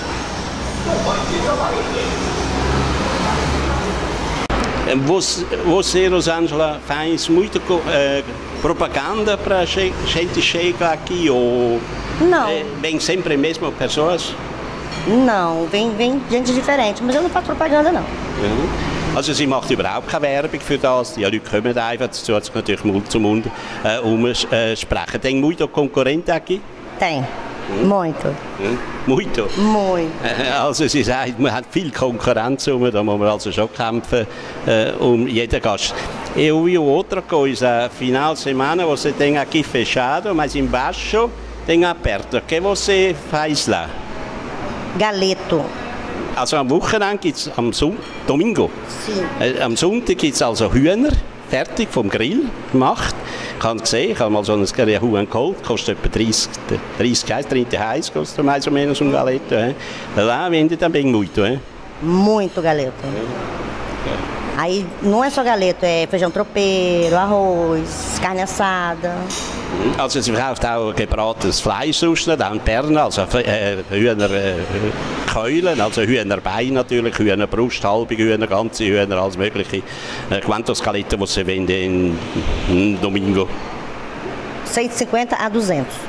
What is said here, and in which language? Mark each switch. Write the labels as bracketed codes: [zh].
[pt] Nada. Você, Rosângela, faz muita propaganda para gente chegar aqui ou... Não. Vem sempre mesmo pessoas? Não, vem gente diferente, mas eu não faço propaganda, não. [de] Also, sie macht überhaupt keine Werbung für das. Die Leute kommen einfach dazu, dass sie natürlich Mund zu Mund sprechen. [pt] Tem muito concorrente aqui? Tem. Muito. Muito? Muito. [de] Also sie sagt, man hat viel Konkurrenz, da muss man also schon kämpfen jeden Gast. [pt] E ouvi outra coisa, final semana você tem aqui fechado, mas embaixo tem aperto. O que você faz lá? Galeto. [de] Also am Wochenende gibt es am Domingo? [pt] Sim. [de] Am Sonntag gibt es also Hühner, fertig vom Grill gemacht. Ich habe gesehen, ich habe mal so ein Huhn geholt, kostet etwa 30 Heiß, 30 Heiß kostet mehr oder weniger so ein Galeto. [pt] Lá vende também muito, hein? Muito Galeto. Aí não é só Galeto, é feijão tropeiro, arroz, carne assada. Also sie verkauft auch gebratenes Fleisch aus, dann Perne, also Hühnerkeulen, also Hühnerbein natürlich, Hühnerbrust, halbe Hühner, ganze Hühner, alles mögliche. Quantos Galeto, [de] die sie wollen [pt] in Domingo? 150 a 200.